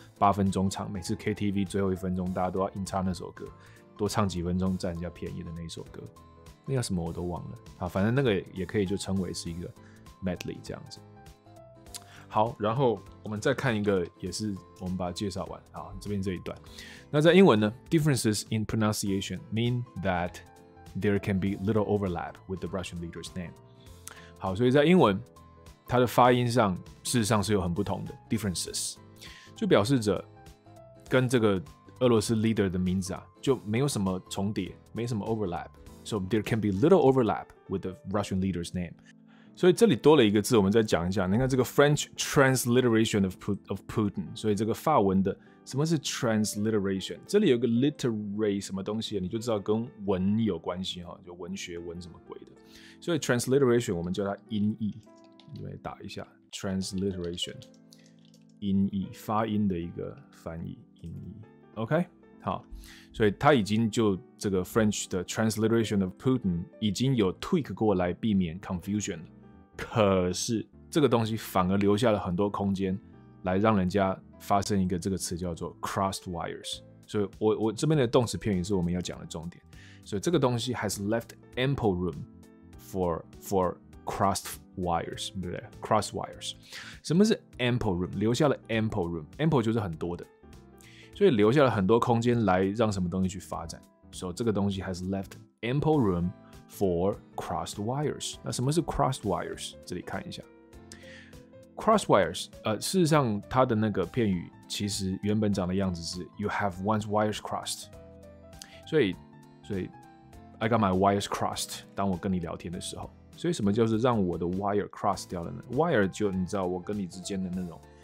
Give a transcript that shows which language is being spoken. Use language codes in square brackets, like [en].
[zh] 八分钟唱，每次 KTV 最后一分钟，大家都要硬唱那首歌，多唱几分钟占人家便宜的那首歌，那叫什么我都忘了啊，反正那个也可以就称为是一个 medley 这样子。好，然后我们再看一个，也是我们把它介绍完。好，这边这一段。那在英文呢 [en] ，differences in pronunciation mean that there can be little overlap with the Russian leader's name。 [zh] 好，所以在英文，它的发音上事实上是有很不同的 differences， 就表示着跟这个俄罗斯 leader 的名字啊就没有什么重叠，没什么 overlap。 [en] So there can be little overlap with the Russian leader's name。 [zh] 所以这里多了一个字，我们再讲一下。你看这个 French transliteration of Putin， 所以这个法文的什么是 transliteration？这里有个 literary 什么东西，你就知道跟文有关系哈，就文学文什么鬼的。所以 transliteration 我们叫它音译，你们打一下 transliteration， 音译发音的一个翻译音译。 OK， 好，所以它已经就这个 French 的 transliteration of Putin 已经有 tweak 过来，避免 confusion 了。可是这个东西反而留下了很多空间来让人家发生一个这个词叫做 crossed wires。所以 我这边的动词片语是我们要讲的重点，所以这个东西 [en] has left ample room for crossed wires， [zh] 对不对？ crossed wires 什么是 ample room？留下了 ample room， ample 就是很多的，所以留下了很多空间来让什么东西去发展。所以这个东西 [en] has left ample roomFor crossed wires， [zh] 那什么是 crossed wires？这里看一下 ，crossed wires， 事实上它的那个片语其实原本长的样子是 [en] you have one's wires crossed， [zh] 所以 [en] I got my wires crossed， [zh] 当我跟你聊天的时候，所以什么就是让我的 wire crossed 掉了呢 ？wire 就你知道我跟你之间的那种